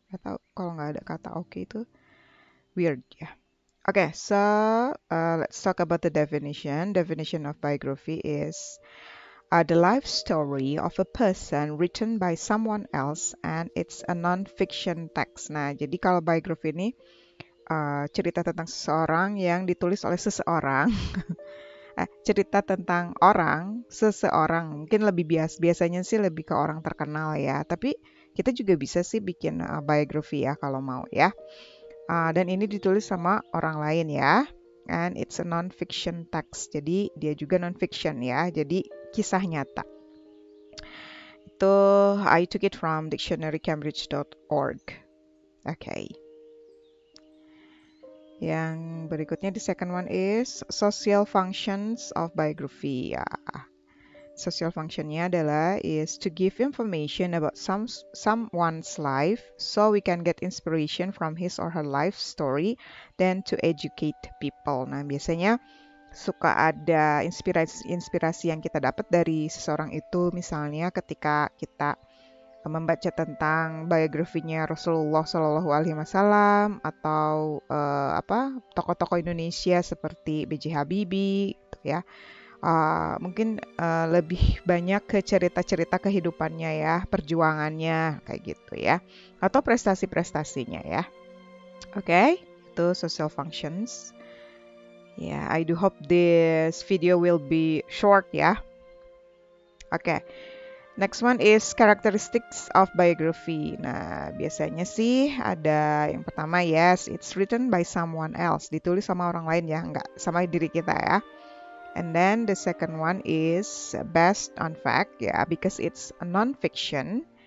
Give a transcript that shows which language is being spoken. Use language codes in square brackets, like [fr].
[id] Gak tau kalau nggak ada kata okay itu weird ya. Yeah. [en] Okay, so let's talk about the definition. Definition of biography is the life story of a person written by someone else, and it's a non-fiction text. [id] Nah, jadi kalau biografi ini cerita tentang seseorang yang ditulis oleh seseorang. cerita tentang orang, seseorang. Mungkin lebih biasanya sih lebih ke orang terkenal ya. Tapi kita juga bisa sih bikin biografi ya kalau mau ya. Dan ini ditulis sama orang lain ya, [en] and it's a non-fiction text, [id] jadi dia juga non-fiction ya, jadi kisah nyata. [en] Itu I took it from dictionarycambridge.org. Okay. [id] Yang berikutnya [en] the second one is social functions of biography. Ya. Social functionnya adalah is to give information about someone's life so we can get inspiration from his or her life story, then to educate people. [id] Nah, biasanya suka ada inspirasi-inspirasi yang kita dapat dari seseorang itu, misalnya ketika kita membaca tentang biografinya Rasulullah Shallallahu Alaihi Wasallam atau tokoh-tokoh Indonesia seperti B.J. Habibie, gitu ya. Mungkin lebih banyak ke cerita-cerita kehidupannya ya, perjuangannya, kayak gitu ya. Atau prestasi-prestasinya ya. Okay, itu social functions. [en] Yeah, I do hope this video will be short ya. Okay, next one is characteristics of biography. [id] Nah, biasanya sih ada yang pertama, [en] yes, it's written by someone else. [id] Ditulis sama orang lain ya, nggak sama diri kita ya. [en] And then the second one is based on fact, yeah, because it's a non-fiction.